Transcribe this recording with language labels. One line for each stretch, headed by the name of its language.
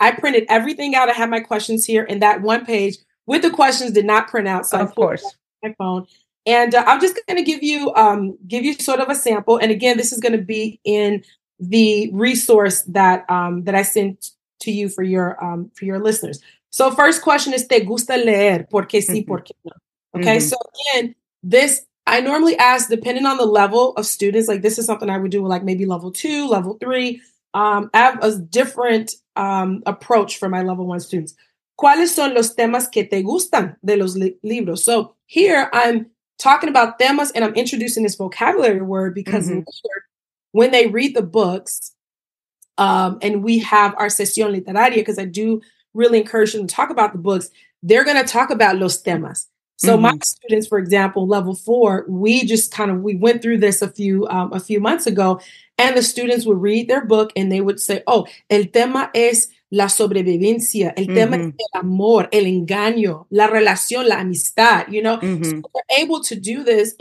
English: I printed everything out. I had my questions here, and that one page with the questions did not print out. So of course, my phone. And I'm just going to give you sort of a sample. And again, this is going to be in the resource that that I sent to you for your listeners. So first question is,
Spanish: ¿te gusta leer? ¿Por qué sí? ¿Por qué no?
English: Okay. Mm-hmm. So again, this I normally ask depending on the level of students. Like, this is something I would do with like maybe level 2, level 3. I have a different approach for my level 1 students.
Spanish: ¿Cuáles son los temas que te gustan de los libros?
English: So here I'm talking about temas and I'm introducing this vocabulary word because later, when they read the books and we have our sesión literaria, because I do really encourage them to talk about the books, they're going to talk about los temas. So my students, for example, level 4, we just kind of, we went through this a few months ago, and the students would read their book and they would say, oh,
Spanish: el tema es la sobrevivencia, el tema es el amor, el engaño, la relación, la amistad,
English: So they're able to do this.